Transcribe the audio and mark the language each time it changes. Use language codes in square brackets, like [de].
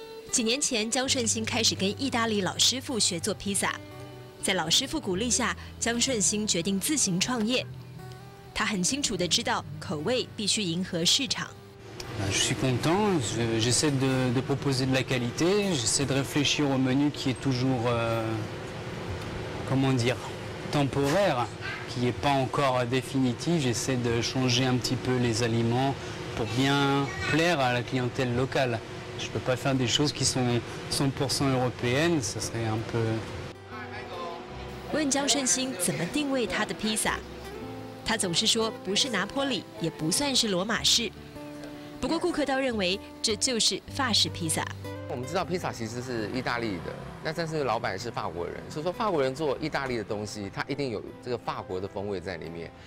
[zh] 几年前，江顺兴开始跟意大利老师傅学做披萨。在老师傅鼓励下，江顺兴决定自行创业。他很清楚地知道，口味必须迎合市场。 [fr] Je suis content. J'essaie de proposer de la qualité. J'essaie de réfléchir au menu qui est toujours, comment dire, temporaire, qui n'est pas encore définitif. J'essaie de changer un petit peu les aliments pour bien plaire à la clientèle locale. Je ne peux pas faire des choses qui sont 100% européennes, ça serait un peu... [zh] 问江顺兴怎么定位他的披萨，他总是说不是拿坡里，也不算是罗马式。不过顾客倒认为这就是法式披萨。我们知道披萨其实是意大利的，那但是老板是法国人，所以说法国人做意大利的东西，他一定有这个法国的风味在里面。